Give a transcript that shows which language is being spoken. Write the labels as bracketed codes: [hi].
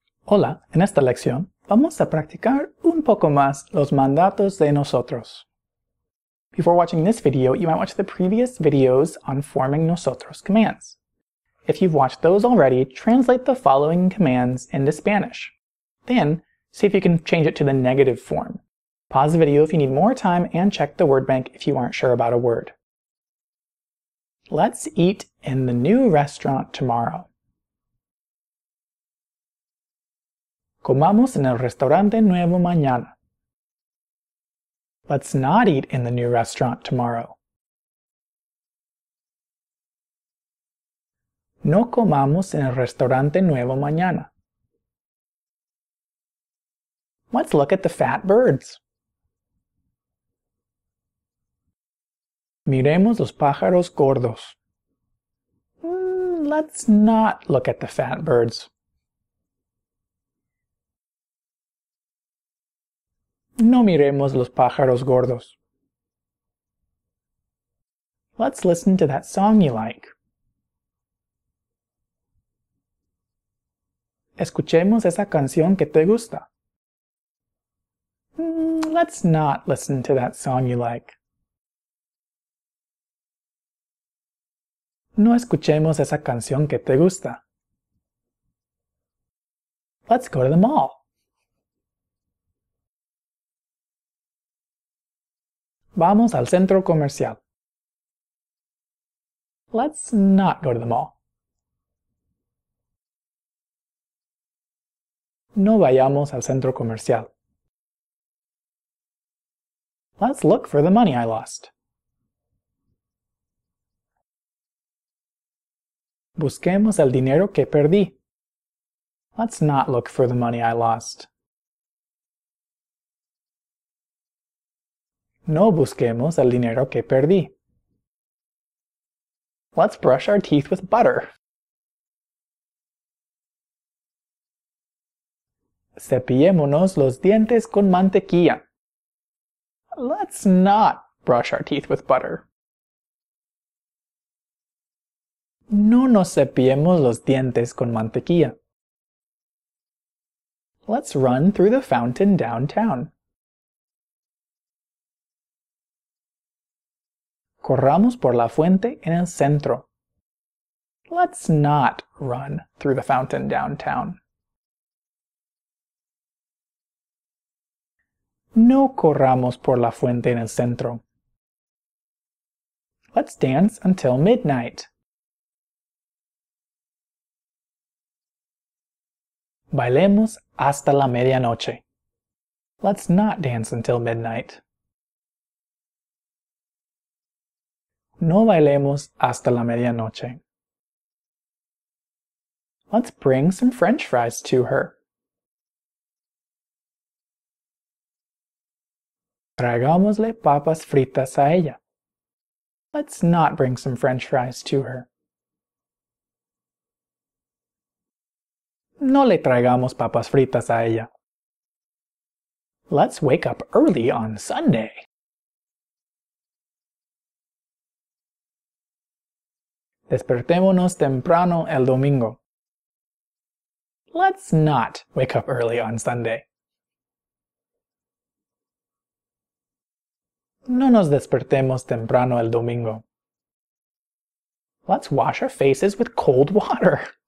[es] Hola, en esta lección vamos a practicar un poco más los mandatos de nosotros. [en] Before watching this video, you might watch the previous videos on forming nosotros commands. If you've watched those already, translate the following commands into Spanish. Then, see if you can change it to the negative form. Pause the video if you need more time and check the word bank if you aren't sure about a word. Let's eat in the new restaurant tomorrow. [es] Comamos en el restaurante nuevo mañana. [en] Let's not eat in the new restaurant tomorrow. [es] No comamos en el restaurante nuevo mañana. [en] Let's look at the fat birds. [es] Miremos los pájaros gordos. [en] Let's not look at the fat birds. [es] No miremos los pájaros gordos. [en] Let's listen to that song you like. [es] Escuchemos esa canción que te gusta. [en] Let's not listen to that song you like. [es] No escuchemos esa canción que te gusta. [en] Let's go to the mall. [es] Vamos al centro comercial. [en] Let's not go to the mall. [es] No vayamos al centro comercial. [en] Let's look for the money I lost. [es] Busquemos el dinero que perdí. [en] Let's not look for the money I lost. [es] No busquemos el dinero que perdí. [en] Let's brush our teeth with butter. [es] Cepillémonos los dientes con mantequilla. [en] Let's not brush our teeth with butter. [es] No nos cepillemos los dientes con mantequilla. [en] Let's run through the fountain downtown. [es] Corramos por la fuente en el centro. [en] Let's not run through the fountain downtown. [es] No corramos por la fuente en el centro. [en] Let's dance until midnight. [es] Bailemos hasta la medianoche. [en] Let's not dance until midnight. [es] No bailemos hasta la medianoche. [en] Let's bring some French fries to her. [es] Traigámosle papas fritas a ella. [en] Let's not bring some French fries to her. [es] No le traigamos papas fritas a ella. [en] Let's wake up early on Sunday. [es] Despertémonos temprano el domingo. [en] Let's not wake up early on Sunday. [es] No nos despertemos temprano el domingo. [en] Let's wash our faces with cold water.